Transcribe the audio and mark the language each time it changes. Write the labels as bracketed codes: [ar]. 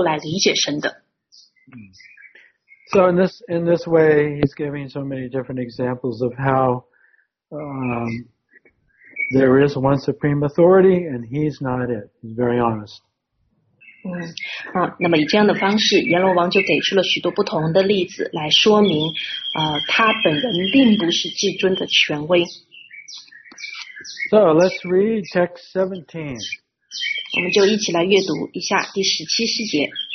[zh] 因此，他就以这样的一个例子来说明，那么即便阎罗王是如此的强大，但是他却依然是依赖于神，他依然是不可能靠自己的能力能够来理解神的。 [en] So in this way, he's giving so many different examples of how there is one supreme authority, and he's not it. He's very honest. [zh] 那么以这样的方式，阎罗王就给出了许多不同的例子来说明，他本人并不是至尊的权威。 [en] So let's read text 17. [zh] 我们就一起来阅读一下第十七细节。